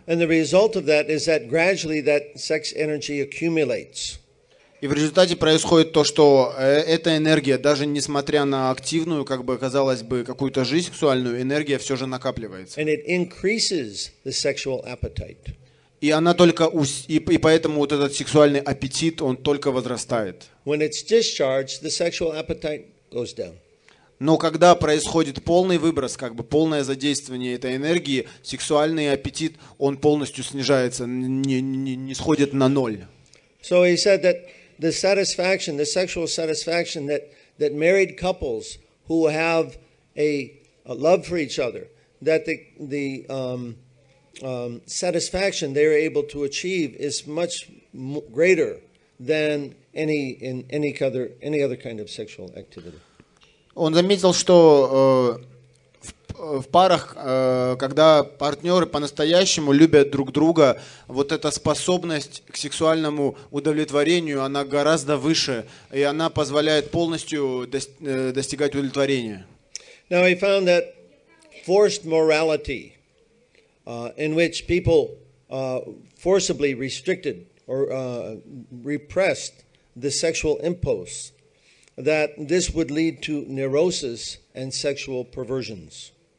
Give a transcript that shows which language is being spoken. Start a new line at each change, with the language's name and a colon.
English: And the result of that is that gradually that sex energy accumulates.
Russian: И в результате происходит то, что эта энергия, даже несмотря на активную, как бы казалось бы, какую-то жизнь сексуальную, энергия все же накапливается.
English: And it increases the sexual appetite.
Russian: И она только и поэтому вот этот сексуальный аппетит, он только возрастает.
English: When it's discharged, the sexual appetite goes down.
Russian: Но когда происходит полный выброс, как бы полное задействование этой энергии, сексуальный аппетит, он полностью снижается, не сходит на ноль.
English: So he said that the satisfaction, the sexual satisfaction that that married couples who have a love for each other, that the satisfaction they are able to achieve is much greater than any other kind of sexual activity.
Russian: Он заметил, что в парах, когда партнеры по-настоящему любят друг друга, вот эта способность к сексуальному удовлетворению, она гораздо выше, и она позволяет полностью достигать удовлетворения.
English: Now he found that forced morality, in which people forcibly restricted or repressed the sexual impulse, that this would lead to neurosis and sexual perversions.